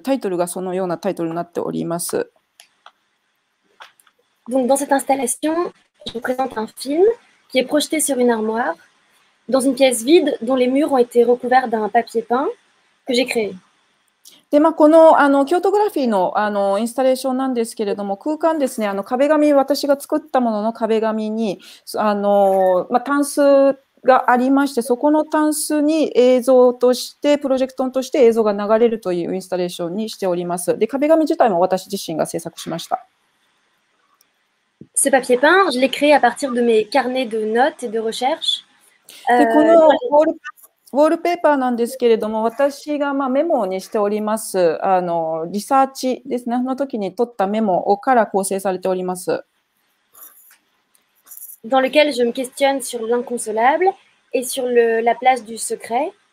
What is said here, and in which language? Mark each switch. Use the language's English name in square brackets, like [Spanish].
[Japanese] タイトルがそのようなタイトルになっております。 [French] Donc, dans cette installation, je présente un film qui est projeté sur une armoire, dans une pièce vide dont les murs ont été recouverts d'un papier peint que j'ai créé. [Japanese] で、まあ、この、京都グラフィーの、インスタレーションなんですけれども、空間ですね、壁紙、私が作ったものの壁紙に、まあ、タンスがありまして、そこのタンスに映像として、プロジェクトとして映像が流れるというインスタレーションにしております。で、壁紙自体も私自身が制作しました。 [French] Ce papier peint, je l'ai créé à partir de mes carnets de notes et de recherches. [Japanese] で、このウォールペーパーなんですけれども、私がまあメモにしております、リサーチですね、その時に取ったメモから構成されております。 [French] Dans lequel je me questionne sur l'inconsolable et sur la place du secret.